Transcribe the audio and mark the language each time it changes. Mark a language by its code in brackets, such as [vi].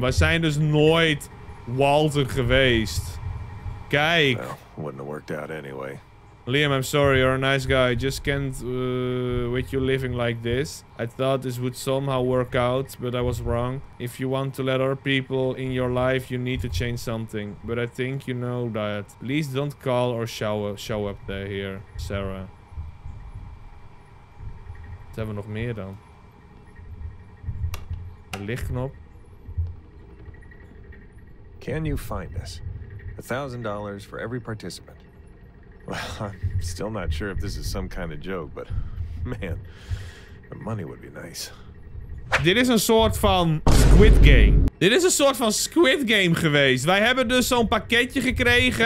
[nl] Wij zijn dus nooit Walter geweest. Kijk. [en] Well, wouldn't have worked out anyway. Liam, I'm sorry, you're a nice guy. I just can't with you living like this. I thought this would somehow work out, but I was wrong. If you want to let other people in your life, you need to change something. But I think you know that. Please don't call or show up there here, Sarah. [nl] Wat hebben we nog meer dan? Een lichtknop. [en] Can you find us? $1,000 for every participant. Well, I'm still not sure if this is some kind of joke, but man, the money would be nice. [nl] Dit is een soort van Squid Game. Dit is een soort van Squid Game geweest. Wij hebben dus zo'n pakketje gekregen.